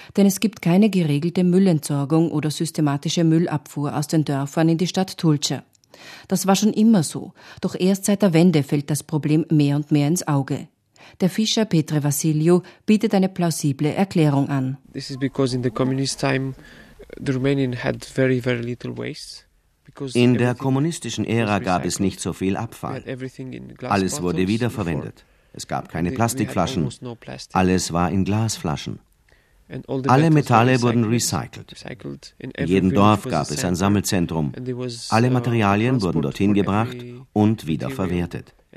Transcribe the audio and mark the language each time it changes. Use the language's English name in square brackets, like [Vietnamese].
[German] Denn es gibt keine geregelte Müllentsorgung oder systematische Müllabfuhr aus den Dörfern in die Stadt Tulce. Das war schon immer so. Doch erst seit der Wende fällt das Problem mehr und mehr ins Auge. Der Fischer Petre Vasiliu bietet eine plausible Erklärung an. [English] This is because in the communist time the Romanian had very, very little waste. [German] In der kommunistischen Ära gab es nicht so viel Abfall. Alles wurde wiederverwendet. Es gab keine Plastikflaschen. Alles war in Glasflaschen. Alle Metalle wurden recycelt. In jedem Dorf gab es ein Sammelzentrum. Alle Materialien wurden dorthin gebracht und wiederverwertet.